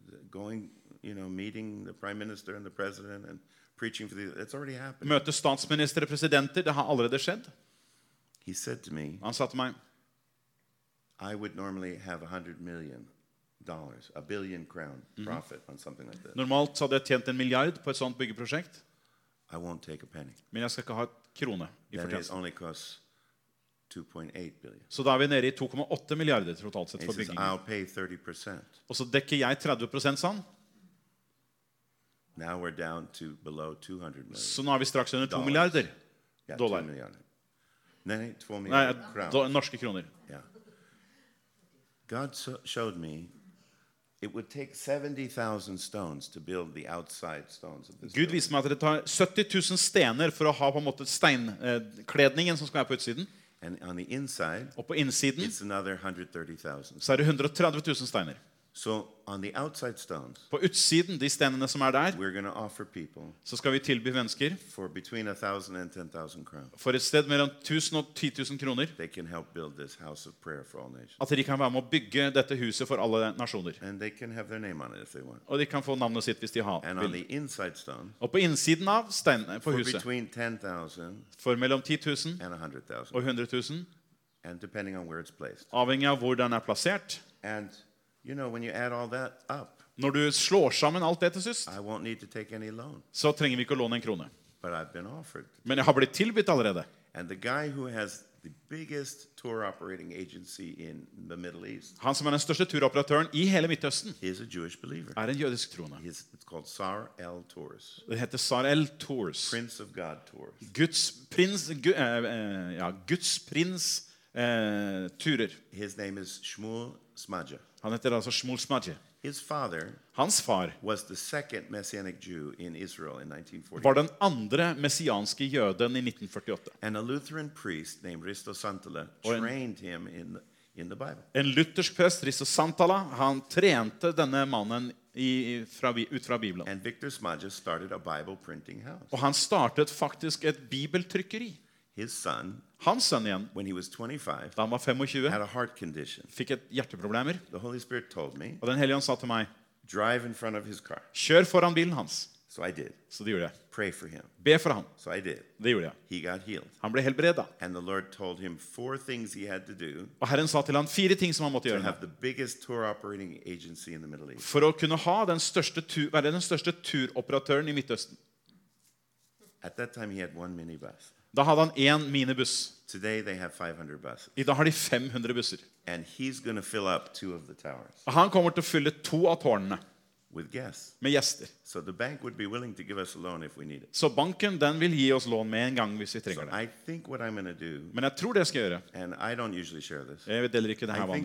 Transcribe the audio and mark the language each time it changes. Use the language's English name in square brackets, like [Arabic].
[English] Going, you know, meeting the prime minister and the president and preaching for the it's already happened. [Swedish] Möte statsminister och presidenter, [Norwegian] det har allerede skjedd. [English] He said to me. [Swedish] Han sa till mig. [English] I would normally have $100 million, a billion crown profit on something like this. [Swedish] Normalt så hade jag tjänat en miljard på ett sånt byggeprojekt. [English] I won't take a penny. [Swedish] Men jag ska ha en krona I förtjänst. [English] That only costs 2.8 billion. [Swedish] Så då är vi nere I 2,8 miljarder totalt sett för byggingen. [English] I'll pay 30%. [Swedish] Och så täcker jag 30% sån. [English] Now we're down to below 200 million. [Swedish] Så nu har vi strax under 2 miljarder. Dollar. Nej, 2 miljarder. Nej, norska kronor. Ja. [English] God showed me it would take 70,000 stones to build the outside stones of this. [Swedish] Gud visste mig att det tar 70,000 stenar för att ha på något sätt stenklädningen som ska vara på utsidan. [English] And on the inside, [Swedish] och på insidan, [English] it's another 130,000. [Swedish] Så är det 130,000 stenar. [English] So on the outside stones, [Swedish] på utsidan de stenarna som är där, [English] we're going to offer people. [Swedish] Så ska vi tillby människor [English] for between 1,000 and 10,000 crowns. [Swedish] För ett sted mellan 1,000 och 10,000 kronor. [English] They can help build this house of prayer for all nations. [Swedish] Att de kan vara med och bygga detta huset för alla nationer. [English] And they can have their name on it if they want. [Swedish] Och de kan få namnet sitt hvis de har. [English] And on the inside stone, [Swedish] och på insidan av stenen på huset, [English] for between 10,000, [Swedish] för mellan 10,000 [English] and 100,000. [Swedish] Och 100,000, [English] and depending on where it's placed. [Swedish] Avhängigt av var den är placerat. [English] And you know when you add all that up. [Swedish] När du slår samman allt detta sist. [English] I won't need to take any loan. [Swedish] Så tränger vi inte låna en krona. [English] But I've been offered. [Swedish] Men jag har blivit tillbytt allerede. [English] And the guy who has the biggest tour operating agency in the Middle East. [Swedish] Han som är den största turoperatören I hela Mellanöstern. [English] He is a Jewish believer. [Swedish] Är en jødisk troende. [English] It's called Sar El Tours. [Swedish] Det heter Sar El Tours. [English] Prince of God Tours. [Swedish] Guds prins Guds prins turer. [English] His name is Shmuel Smadja. [Swedish] Han heter alltså Shmuel Smadja. [English] His father, [Swedish] hans far, [English] was the second messianic Jew in Israel in 1948. [Swedish] Var den andra messianske jöden I 1948. [English] And a Lutheran priest named Risto Santala trained him in the Bible. [Swedish] En luthersk präst Risto Santala, han tränade denna mannen ut från Bibeln. [English] And Victor Smadja started a Bible printing house. [Swedish] Och han startade faktiskt ett bibeltryckeri. [English] His son, [Swedish] Hansen igen, [English] when he was 25, [Swedish] han var 25, [English] had a heart condition. [Swedish] Fick ett hjärteproblem. [English] The Holy Spirit told me. [Swedish] Och den helige ande sa till mig, [English] drive in front of his car. [Swedish] Kör föran bilen hans. [English] So I did. [Swedish] Så det gjorde jag. [English] Pray for him. [Swedish] Be för han. [English] So I did. [Swedish] Det gjorde jag. [English] He got healed. [Swedish] Han blev helbredad. [English] And the Lord told him four things he had to do. [Swedish] Och Herren sa till han fyra ting som han måste göra. [English] To have the biggest tour operating agency in the Middle East. [Swedish] För att kunna ha den största turoperatören I Mellanöstern. [English] At that time he had one minibus. [Swedish] Då hade han en minibuss. [English] Today they have 500 buses. [Swedish] Idag har de 500 bussar. [English] And he's going to fill up two of the towers. [Swedish] Och han kommer att fylla två av tornen. [English] With guests. [Swedish] Med gäster. [English] So the bank would be willing to give us a loan if we need it. [Swedish] Så banken den vill ge oss lån med en gång [Norwegian] hvis vi trenger det. [English] I think what I'm going to do. [Swedish] Men jag tror det jag ska göra. [English] And I don't usually share this. [Swedish] Jag vet aldrig det här vanligt.